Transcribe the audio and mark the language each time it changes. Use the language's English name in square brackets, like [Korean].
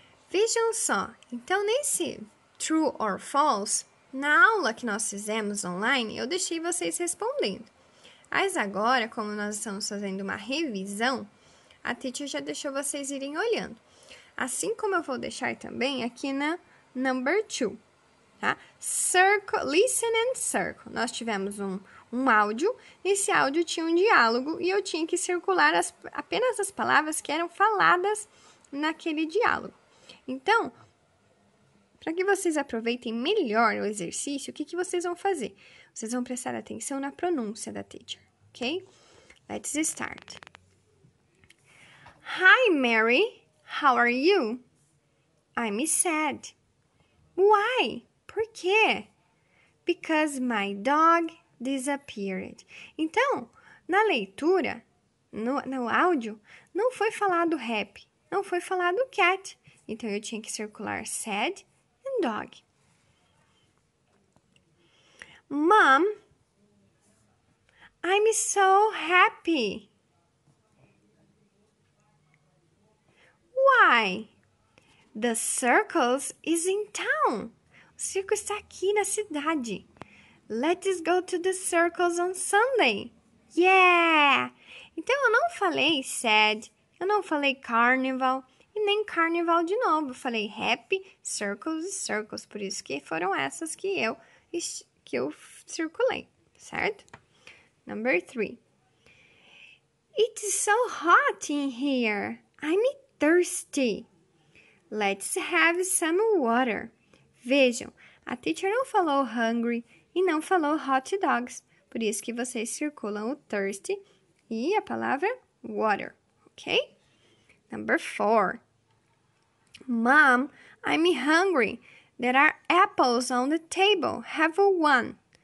[Portuguese] Vejam só, então nesse true or false, na aula que nós fizemos online, eu deixei vocês respondendo. Mas agora, como nós estamos fazendo uma revisão, a teacher já deixou vocês irem olhando. Assim como eu vou deixar também aqui na number 2, tá? [English] Circle, listen and circle. [Portuguese] Nós tivemos um áudio, esse áudio tinha um diálogo e eu tinha que circular apenas as palavras que eram faladas naquele diálogo. Então, para que vocês aproveitem melhor o exercício, o que vocês vão fazer? Vocês vão prestar atenção na pronúncia da teacher, ok? [English] Let's start. Hi, Mary. How are you? I'm sad. Why? [Portuguese] Por quê? [English] Because my dog disappeared. [Portuguese] Então, na leitura, no áudio, não foi falado happy, não foi falado cat. Então, eu tinha que circular [English] sad and dog. Mom, I'm so happy. Why? The circus is in town. [Portuguese] O circo está aqui na cidade. [English] Let's go to the circus on Sunday. Yeah! [Portuguese] Então, eu não falei sad, eu não falei carnival. Nem carnival de novo, eu falei happy, circles e circles, por isso que foram essas que eu circulei, certo? [English] Number 3. It's so hot in here. I'm thirsty. Let's have some water. [Portuguese] Vejam, a teacher não falou hungry e não falou hot dogs, por isso que vocês circulam o thirsty e a palavra water, ok? [English] Number 4. Mom, I'm hungry. There are apples on the table. Have one.